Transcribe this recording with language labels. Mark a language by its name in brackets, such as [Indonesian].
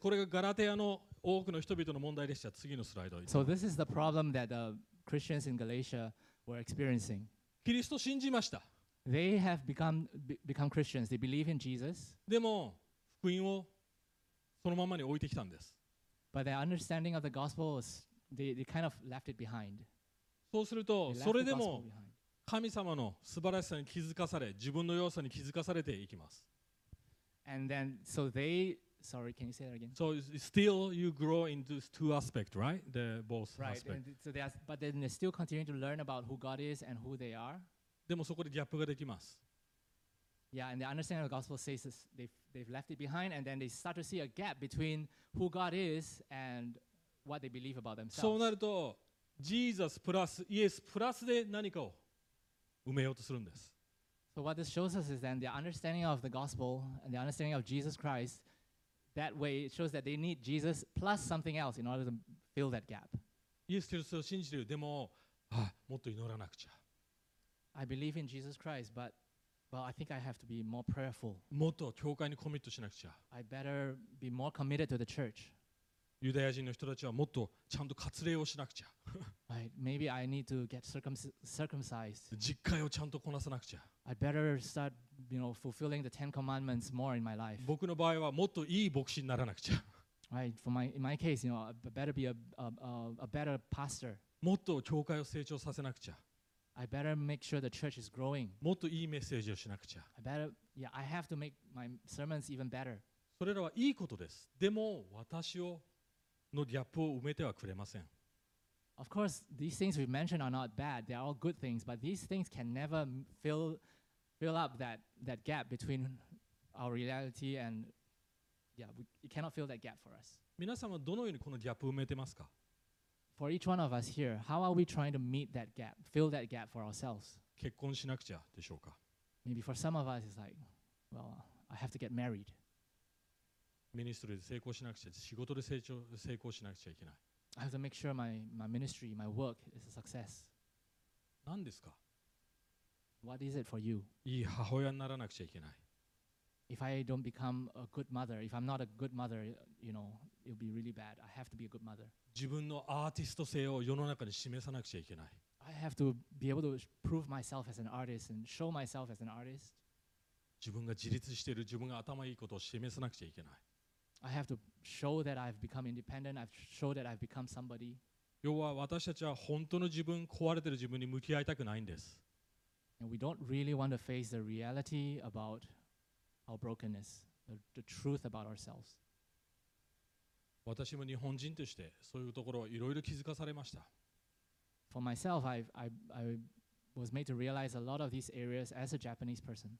[Japanese] これがガラテヤの多くの人々の問題でした。次のスライド。 [English] So this is the problem that the Christians in Galatia were experiencing. [Japanese] キリスト信じました。 [English] They have become Christians. They believe in Jesus. [Japanese] でも福音をそのままに置いてきたんです。 [English] But their understanding of the gospel was they kind of left it behind. [Japanese] そうすると、それでも神様の素晴らしさに気づかされ、自分の弱さに気づかされていきます。 [English] And then, so they, sorry, can you say that again? So still you grow into two aspects, right? The both right. aspects. Right, so but then they still continue to learn about who God is and who they are. [Japanese] でもそこでギャップができます。 [English] Yeah, and the understanding of the gospel says this, they've left it behind and then they start to see a gap between who God is and what they believe about themselves. [Japanese] そうなると、ジーザスプラス、イエスプラスで何かを埋めようとするんです。 [English] So what this shows us is then the understanding of the gospel and the understanding of Jesus Christ, that way it shows that they need Jesus plus something else in order to fill that gap. [Japanese] イエス・キリストを信じる、でも、ああ、もっと祈らなくちゃ。 [English] I believe in Jesus Christ, but well, I think I have to be more prayerful. [Japanese] もっと教会にコミットしなくちゃ。 [English] I better be more committed to the church. [Japanese] ユダヤ人の人たちはもっとちゃんと割礼をしなくちゃ。 [English] Right, maybe I need to get circumcised. [Japanese] 実戒をちゃんとこなさなくちゃ。 [English] I better start, you know, fulfilling the Ten Commandments more in my life. [Japanese] 僕の場合はもっといい牧師にならなくちゃ。 [English] Right, in my case, you know, I better be a better pastor. [Japanese] もっと教会を成長させなくちゃ。 [English] I better make sure the church is growing. [Japanese] もっといいメッセージをしなくちゃ。 [English] I have to make my sermons even better. [Japanese] それらはいいことです。でも私をのギャップを埋めてはくれません。 [English] Of course, these things we've mentioned are not bad. They are all good things, but these things can never fill up that gap between our reality and it cannot fill that gap for us. [Japanese] 皆さんはどのようにこのギャップを埋めてますか？ [English] For each one of us here, how are we trying to meet that gap, fill that gap for ourselves? [Japanese] 結婚しなくちゃでしょうか？ [English] Maybe for some of us, it's like, well, I have to get married. [Japanese] ミニストリーで成功しなくちゃ、仕事で成功しなくちゃいけない。 [English] I have to make sure my ministry, my work is a success. [Japanese] 何ですか？ [English] What is it for you? [Japanese] いい母親にならなくちゃいけない。 [English] If I don't become a good mother, if I'm not a good mother, you know, it'll be really bad. I have to be a good mother. [Japanese] 自分のアーティスト性を世の中に示さなくちゃいけない。 [English] I have to be able to prove myself as an artist and show myself as an artist. [Japanese] 自分が自立している、自分が頭いいことを示さなくちゃいけない。 [English] I have to show that I've become independent. I've showed that I've become somebody. [Japanese] 要は私たちは本当の自分、壊れている自分に向き合いたくないんです。 [English] And we don't really want to face the reality about our brokenness, the truth about ourselves. [Japanese] 私も日本人としてそういうところをいろいろ気づかされました。 [English] For myself, I was made to realize a lot of these areas as a Japanese person.